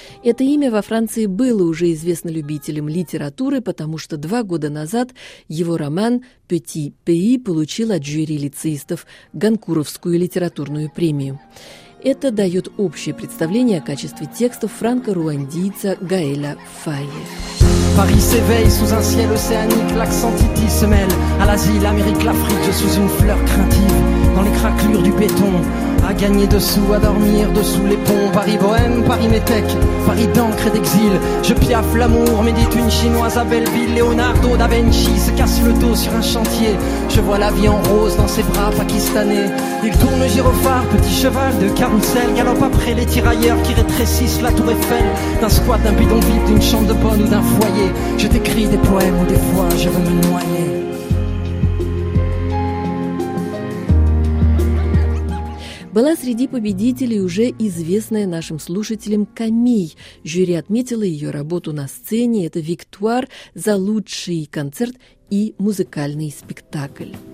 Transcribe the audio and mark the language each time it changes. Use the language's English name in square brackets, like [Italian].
[Russian] Это имя во Франции было уже известно любителям литературы, потому что 2 года назад его роман «Petit pays» получил от жюри лицеистов Гонкуровскую литературную премию. Это дает общее представление о качестве текстов франко-руандийца Гаэля Файе. [French] Paris s'éveille sous un ciel océanique, l'accent titi se mêle à l'Asie, l'Amérique, l'Afrique, je suis une fleur craintive dans les craquelures du béton, à gagner dessous, à dormir dessous les ponts. Paris bohème, Paris métèque, Paris d'encre et d'exil, je piaffe l'amour, médite une chinoise à Belleville, Leonardo da Vinci se casse le dos sur un chantier, je vois la vie en rose dans ses bras pakistanais, il tourne le gyrophare, petit cheval de carousel, galope après les tirailleurs qui rétrécissent la tour Eiffel, d'un squat, d'un bidonville, d'une chambre de bonne ou d'un foyer, je t'écris des poèmes où des fois je veux me noyer. [Russian] Была среди победителей уже известная нашим слушателям Камей. Жюри отметило ее работу на сцене. Это «Виктуар» за лучший концерт и музыкальный спектакль.